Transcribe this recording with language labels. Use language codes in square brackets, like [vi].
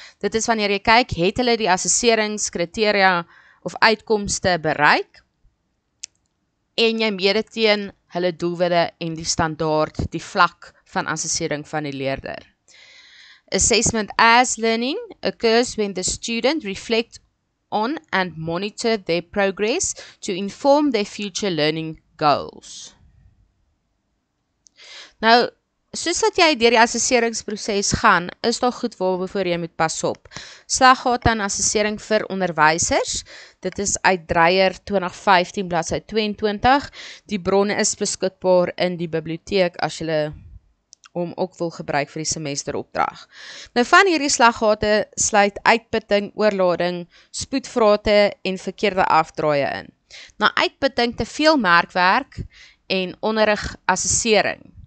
[af] Dit is wanneer jy kyk, het hulle die assesseringskriteria of uitkomste bereik en jy meet dit teen hulle doelwitte en die standaard, die vlak van assessering van die leerder. [en] Assessment as learning occurs when the student reflects on and monitor their progress to inform their future learning goals. [af] Nou, soos dat jy deur die assesseringsproses gaan, is daar goed waarvoor jy moet pas op. Slaggate aan assessering vir onderwysers, dit is uit Dreyer 2015 bladsy 22, die bron is beskikbaar in die biblioteek as jy om ook wil gebruik vir die semesteropdrag. Nou van hierdie slaggate sluit uitputting, oorlading, spoedvrate en verkeerde afdraaie in. Na uitputting te veel merkwerk en onderrig assessering.